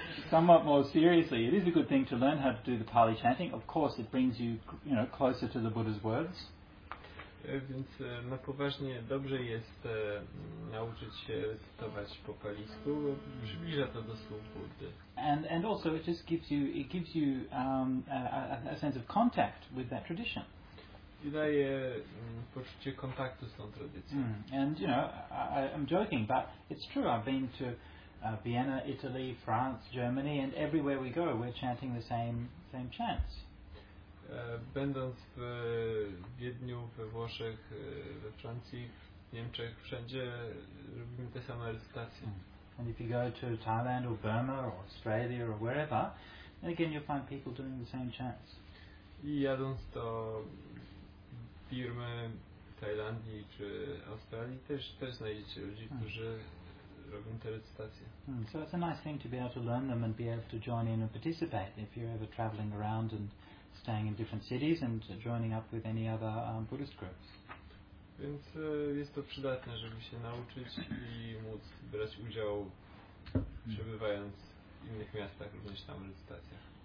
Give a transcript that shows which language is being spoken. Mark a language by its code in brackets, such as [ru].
[en] Somewhat more seriously, it is a good thing to learn how to do the Pali chanting. Of course, it brings you, you know, closer to the Buddha's words. [pl] Więc na poważnie dobrze jest nauczyć się recytować po palisku, przybliża to do słów Buddy. [en] And also it just gives you a sense of contact with that tradition. [pl] I daje poczucie kontaktu z tą tradycją. Mm. [en] And you know, I'm joking, but it's true. I've been to Vienna, Italy, France, Germany, and everywhere we go, we're chanting the same chants. [pl] Będąc w Wiedniu, we Włoszech, we Francji, w Niemczech, wszędzie robimy te same recytacje. [en] And if you go to Thailand or Burma or Australia or wherever, then again you'll find people doing the same chants. [pl] I jadąc do Birmy, Tajlandii czy Australii, też znajdziecie ludzi, którzy robią te recytacje. [en] So it's a nice thing to be able to learn them and be able to join in and participate if you're ever traveling around and staying in different cities and joining up with any other Buddhist groups. [pl] Więc jest to przydatne, żeby się nauczyć i móc brać udział, przebywając w innych miastach, również tam w recytacjach.